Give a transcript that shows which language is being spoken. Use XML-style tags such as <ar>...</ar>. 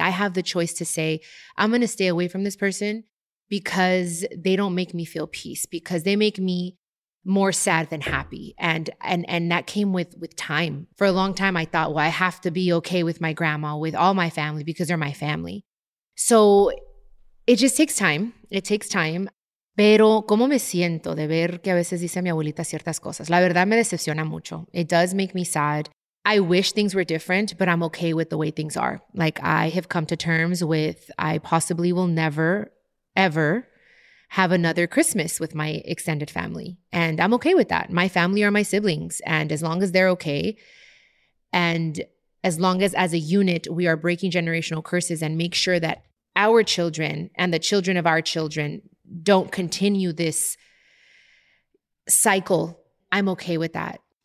<en>I have the choice to say, I'm going to stay away from this person because they don't make me feel peace, because they make me more sad than happy. And that came with time. For a long time, I thought, well, I have to be okay with my grandma, with all my family, because they're my family. So it just takes time. It takes time.</en> <es>Pero, ¿cómo me siento de ver que a veces dice mi abuelita ciertas cosas? La verdad, me decepciona mucho.</es> <en>It does make me sad. I wish things were different, but I'm okay with the way things are. Like, I have come to terms with, I possibly will never, ever have another Christmas with my extended family. And I'm okay with that. My family are my siblings. And as long as they're okay, and as long as a unit, we are breaking generational curses and make sure that our children and the children of our children don't continue this cycle, I'm okay with that.</en>